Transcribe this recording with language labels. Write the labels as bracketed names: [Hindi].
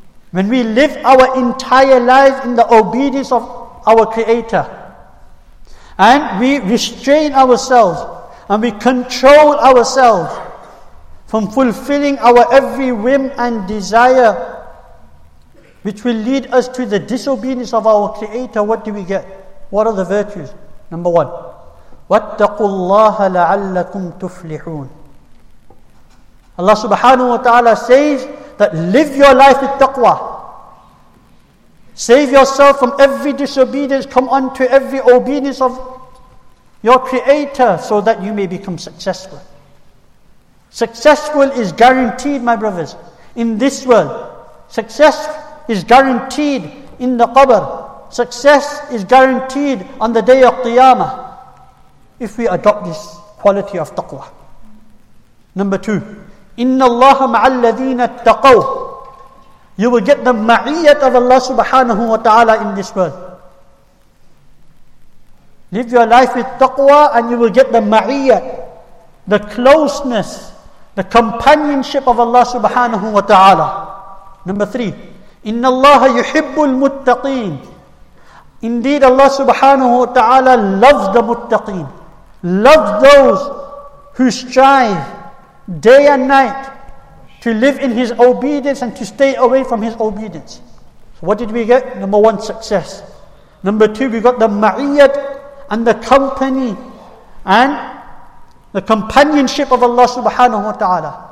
[English] When we live our entire life in the obedience of our Creator, and we restrain ourselves, and we control ourselves from fulfilling our every whim and desire, which will lead us to the disobedience of our Creator, what do we get? What are the virtues? Number one, [Arabic] وَاتَّقُوا اللَّهَ لَعَلَّكُمْ تُفْلِحُونَ. [English] Allah subhanahu wa ta'ala says that live your life with taqwa. Save yourself from every disobedience, come unto every obedience of your Creator, so that you may become successful. Successful is guaranteed, my brothers, in this world. Success is guaranteed in the qabr. Success is guaranteed on the day of Qiyamah, if we adopt this quality of taqwa. Number two, [Arabic] إِنَّ اللَّهَ مَعَ الَّذِينَ اتَّقَوْا. [English] You will get the ma'iyat of Allah subhanahu wa ta'ala in this world. Live your life with taqwa and you will get the ma'iyat, the closeness, the companionship of Allah subhanahu wa ta'ala. Number three, [Arabic] إِنَّ اللَّهَ يُحِبُّ الْمُتَّقِينَ. [English] Indeed Allah subhanahu wa ta'ala loves the muttaqeen, loves those who strive day and night to live in his obedience and to stay away from his obedience. So what did we get? Number one, success. Number two, we got the ma'iyat and the company and the companionship of Allah subhanahu wa ta'ala.